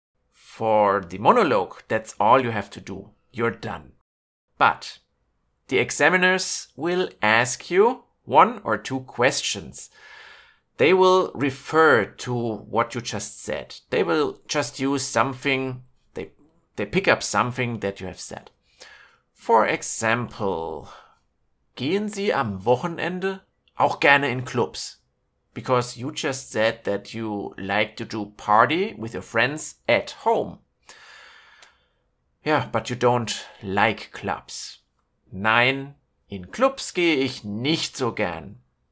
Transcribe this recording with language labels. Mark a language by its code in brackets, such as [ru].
[en] For the monologue, that's all you have to do. You're done. But the examiners will ask you 1 or 2 questions. They will refer to what you just said. They will just use something, they pick up something that you have said. For example, [de] gehen Sie am Wochenende auch gerne in Clubs? [en] Because you just said that you like to do party with your friends at home. Yeah, but you don't like clubs. [de] Nein, in Clubs gehe ich nicht so gern.